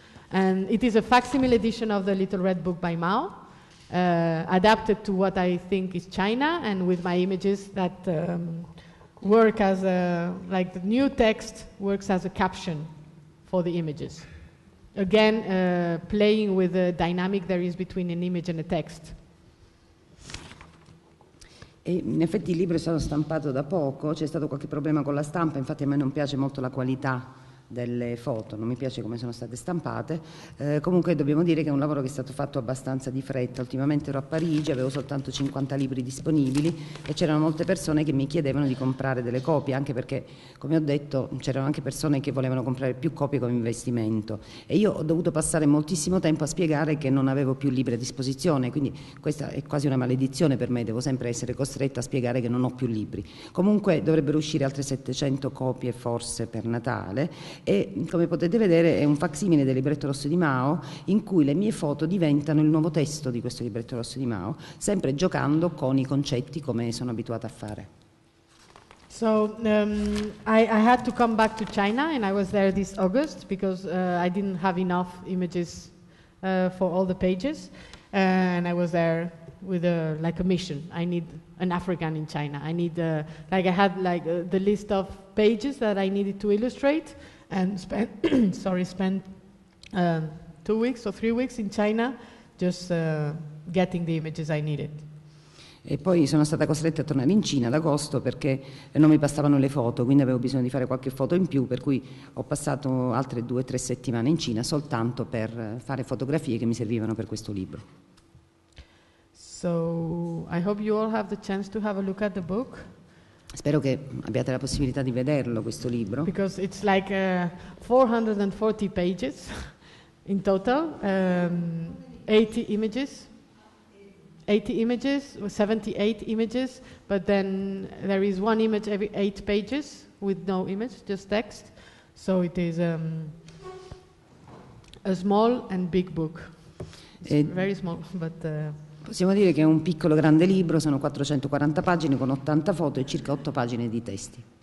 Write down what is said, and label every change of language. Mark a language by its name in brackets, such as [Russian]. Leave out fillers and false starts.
[English] And it is a facsimile edition of the Little Red Book by Mao, adapted to what I think is China, and with my images that work as a, like the new text works as a caption for the images. Again, playing with the dynamic there is between an image and a text. [Italian] E in effetti il libro è stato stampato da poco, c'è stato qualche problema con la stampa, infatti a me non piace molto la qualità delle foto, non mi piace come sono state stampate. Comunque dobbiamo dire che è un lavoro che è stato fatto abbastanza di fretta. Ultimamente ero a Parigi, avevo soltanto 50 libri disponibili e c'erano molte persone che mi chiedevano di comprare delle copie, anche perché, come ho detto, c'erano anche persone che volevano comprare più copie come investimento. E io ho dovuto passare moltissimo tempo a spiegare che non avevo più libri a disposizione, quindi questa è quasi una maledizione per me, devo sempre essere costretta a spiegare che non ho più libri. Comunque dovrebbero uscire altre 700 copie forse per Natale. E come potete vedere è un facsimile del libretto rosso di Mao in cui le mie foto diventano il nuovo testo di questo libretto rosso di Mao, sempre giocando con i concetti come sono abituata a fare. [English] So I had to come back to China and I was there this August because I didn't have enough images for all the pages and I was there with a like a mission. I need an African in China. I need like I had like the list of pages that I needed to illustrate. And spent 2 weeks or 3 weeks in China just getting the images I needed. [Italian] E poi sono stata costretta a tornare in Cina ad agosto perché non mi bastavano le foto, quindi avevo bisogno di fare qualche foto in più, per cui ho passato altre 2-3 settimane in Cina soltanto per fare fotografie che mi servivano per questo libro. [English] So I hope you all have the chance to have a look at the book. [Italian] Spero che abbiate la possibilità di vederlo questo libro. [English] Because it's like 440 pages in total, 80 images, 80 images, 78 images, but then there is one image every 8 pages with no image, just text. So it is a small and big book. It's very small, but. [Italian] Possiamo dire che è un piccolo grande libro, sono 440 pagine con 80 foto e circa 8 pagine di testi.